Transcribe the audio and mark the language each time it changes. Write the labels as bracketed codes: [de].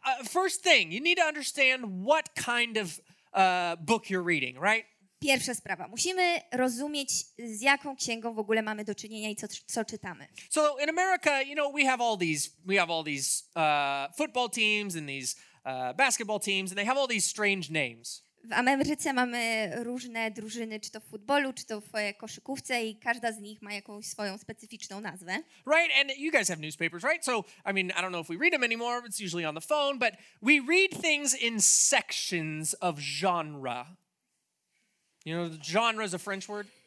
[en] First thing, you need to understand what kind of book you're reading, right? [pl] Pierwsza sprawa. Musimy rozumieć, z jaką księgą w ogóle mamy do czynienia i co czytamy. [en] So in America, you know, we have all these football teams and these basketball teams and they have all these strange names. [pl] W Ameryce mamy różne drużyny, czy to w futbolu, czy to w koszykówce i każda z nich ma jakąś swoją specyficzną nazwę. [en] Right, and you guys have newspapers, right? So, I mean, I don't know if we read them anymore, it's usually on the phone, but we read things in sections of genre. You know, genre is a French word.